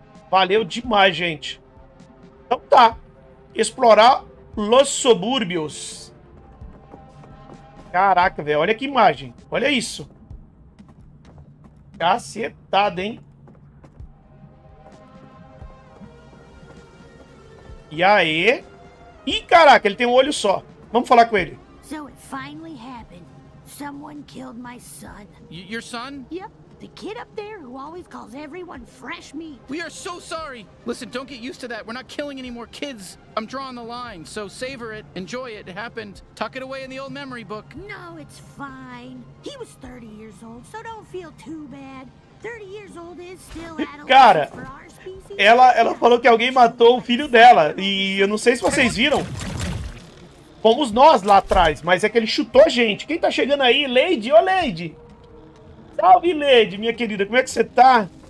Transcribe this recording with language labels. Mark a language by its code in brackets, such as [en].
[pt] Valeu demais, gente. Então tá. Explorar Los Suburbios. Caraca, velho. Olha que imagem. Olha isso. Cacetada, hein? E aí? Ih, caraca, ele tem um olho só. Vamos falar com ele. [en] So it finally happened. Someone killed my son. Your son? Yep. The kid up there who always calls everyone fresh meat. We are so sorry. Listen, don't get used to that. We're not killing any more kids. I'm drawing the line, so savor it. Enjoy it. It happened. Tuck it away in the old memory book. No, it's fine. He was 30 years old, so don't feel too bad. 30 years old is still adolescent. [pt] Cara, ela falou que alguém matou o filho dela. E eu não sei se vocês viram. Fomos nós lá atrás, mas é que ele chutou a gente. Quem tá chegando aí? Lady? Ô, Lady! Salve, Lady, minha querida, como é que você tá?